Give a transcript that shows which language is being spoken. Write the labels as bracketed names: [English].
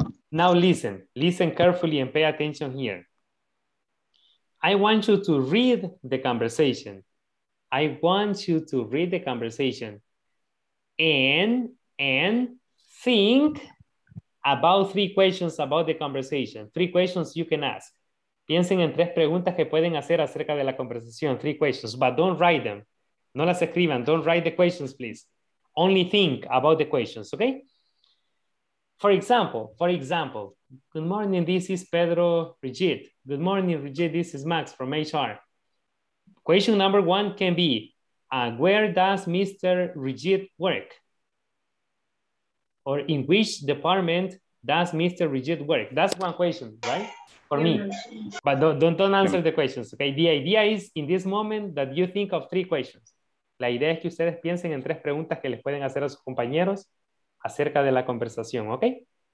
[English] Now listen carefully and pay attention here. I want you to read the conversation and think about three questions about the conversation. Three questions you can ask. [Spanish] Piensen en tres preguntas que pueden hacer acerca de la conversación. [English] Three questions, but don't write them. [Spanish] No las escriban. [English] Don't write the questions, please. Only think about the questions, okay? For example, good morning, this is Pedro Rigid. Good morning, Rigid, this is Max from HR. Question number one can be, where does Mr. Rigid work? Or in which department does Mr. Rigid work? That's one question, right? For me. But don't answer the questions, okay? The idea is in this moment that you think of three questions. [Spanish] La idea es que ustedes piensen en tres preguntas que les pueden hacer a sus compañeros acerca de la conversación, okay?